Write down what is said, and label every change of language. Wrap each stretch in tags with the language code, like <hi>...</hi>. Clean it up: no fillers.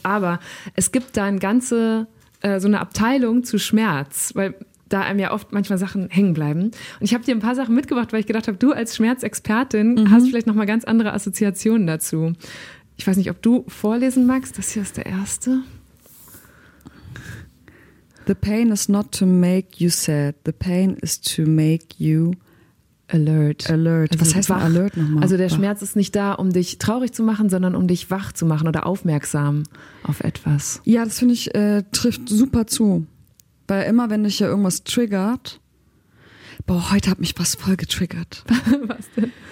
<de>Aber es gibt da ein ganze so eine Abteilung zu Schmerz, weil da einem ja oft manchmal Sachen hängen bleiben. Und ich habe dir ein paar Sachen mitgebracht, weil ich gedacht habe, du als Schmerzexpertin hast vielleicht nochmal ganz andere Assoziationen dazu. Ich weiß nicht, ob du vorlesen magst. Das hier ist der erste.</de> <en>The pain is not to make you sad. The pain is to make you alert. Alert.</en> <de>Also was heißt wach? Alert nochmal? Also der Schmerz ist nicht da, um dich traurig zu machen, sondern um dich wach zu machen oder aufmerksam auf etwas. Ja, das finde ich, trifft super zu. Weil immer, wenn dich ja irgendwas triggert, boah, heute hat mich was voll getriggert. Was denn?</de>